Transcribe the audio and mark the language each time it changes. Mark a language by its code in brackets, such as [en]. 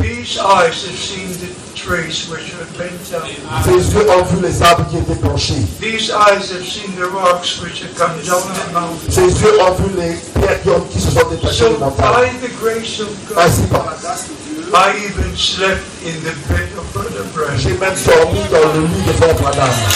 [en] These eyes have seen the trees which have bent down. [fr] Ces yeux ont vu les arbres qui étaient penchés. [en] These eyes have seen the rocks which have come down the mountain. [fr] Ces yeux ont vu les pierres qui se sont détachées des montagnes. [en] By the grace of God. I even slept in the bed of Brother Branham. [fr] J'ai même dormi dans le lit de Frère Branham.